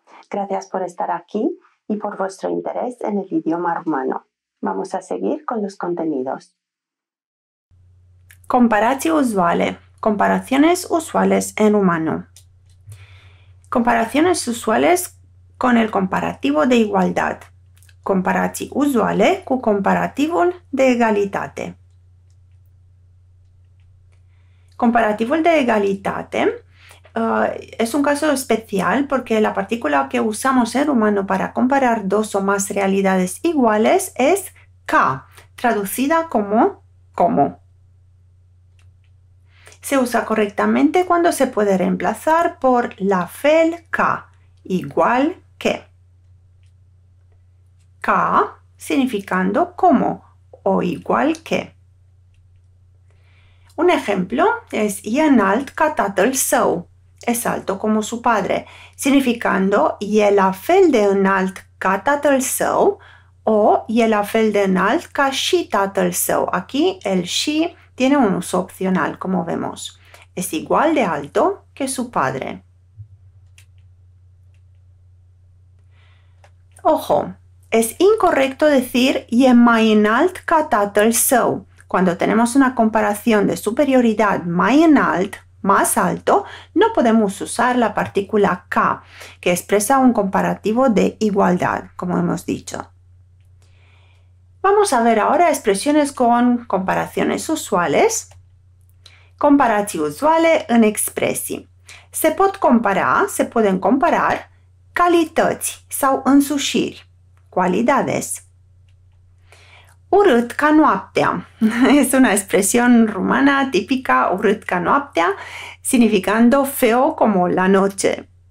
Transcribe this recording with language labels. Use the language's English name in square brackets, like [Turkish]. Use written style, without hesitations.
[Spanish] Gracias por estar aquí y por vuestro interés en el idioma rumano. Vamos a seguir con los contenidos. [Romanian] Comparații uzuale. [Spanish] Comparaciones usuales en rumano. Comparaciones usuales con el comparativo de igualdad. [Romanian] Comparații uzuale cu comparativul de egalitate. Comparativul de egalitate [Spanish] es un caso especial porque la partícula que usamos en rumano para comparar dos o más realidades iguales es ca, traducida como como. Se usa correctamente cuando se puede reemplazar por [Romanian] la fel ca, [Spanish] igual que. Ca significando como o igual que. Un ejemplo es [Romanian] Ian alt ca tatăl său. [Spanish] Es alto como su padre, significando [Romanian] e la fel de înalt ca tatăl său [Spanish] o [Romanian] e la fel de înalt ca și tatăl său. [Spanish] Aquí el și tiene un uso opcional, como vemos. Es igual de alto que su padre. Ojo, es incorrecto decir [Romanian] e mai înalt ca tatăl său. [Spanish] Cuando tenemos una comparación de superioridad [Romanian] mai înalt, [Spanish] más alto, no podemos usar la partícula ca, que expresa un comparativo de igualdad, como hemos dicho. Vamos a ver ahora expresiones con comparaciones usuales. [Romanian] Comparații uzuale în expresii. Se pot compara, [Spanish] se pueden comparar, [Romanian] calități sau însușiri, cualidades. Urât ca noaptea. [Spanish] Es una expresión rumana típica, [Romanian] urât ca noaptea, [Spanish] significando feo como la noche.